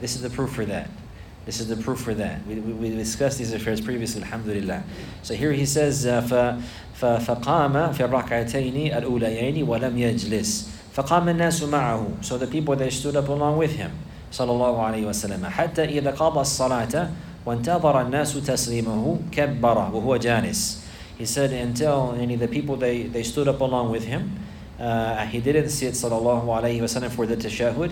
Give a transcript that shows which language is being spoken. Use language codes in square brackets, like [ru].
[en] This is the proof for that. This is the proof for that. We discussed these affairs previously, alhamdulillah. So here he says, [ar] فَقَامَ فِي الرَّكْعَتَيْنِ الْأُولَيَيْنِ وَلَمْ يَجْلِسْ فَقَامَ النَّاسُ مَعَهُ. [en] So the people, they stood up along with him, sallallahu alayhi wa sallam. [ar] حَتَّى إِذَا قَضَى الصَّلَاةَ وَانْتَظَرَ النَّاسُ تَسْلِيمَهُ كَبَّرَ وَهُوَ جَانِسْ. [en] He said, until any of the people, they stood up along with him. He didn't sit, sallallahu alayhi wa sallam, for the tashahud.